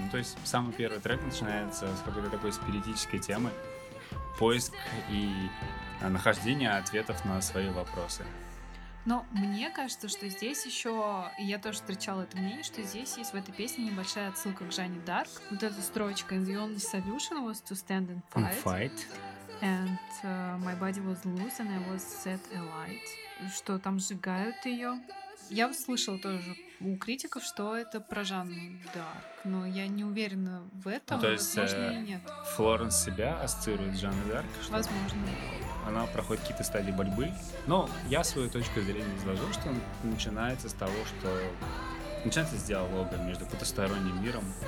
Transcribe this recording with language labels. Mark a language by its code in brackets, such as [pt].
[ru] Ну, то есть самый первый трек начинается с какой-то такой спиритической темы. Поиск и нахождение ответов на свои вопросы. Но мне кажется, что здесь еще, и я тоже встречала это мнение, что здесь есть в этой песне небольшая отсылка к Жанне Д'Арк. Вот эта строчка [en] «The only solution was to stand and fight». And my body was loose, and I was set alight. [ru] Что там сжигают ее. Я услышала тоже у критиков, что это про Жанну Д'Арк, но я не уверена в этом, ну, то есть, возможно, и нет. Флоренс себя ассоциирует с Жанной Д'Арк. Что возможно. Она проходит какие-то стадии борьбы. Но я свою точку зрения изложу, что начинается с того, что начинается с диалога между потусторонним миром.